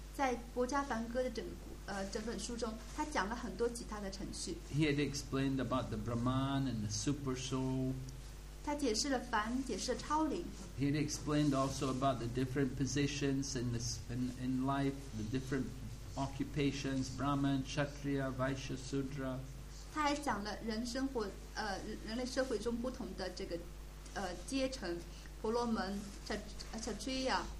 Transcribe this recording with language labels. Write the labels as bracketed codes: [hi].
[zh] 在《薄伽梵歌》的整本书中，他讲了很多其他的程序。 [en] He had explained about the Brahman and the Super Soul. [zh] 他解释了凡，解释了超灵。 [en] He explained also about the different positions in life, the different occupations, Brahman, Kshatriya, Vaishya, Sudra. [zh] 他还讲了人生活，人类社会中不同的这个，阶层，婆罗门 ，Kshatriya.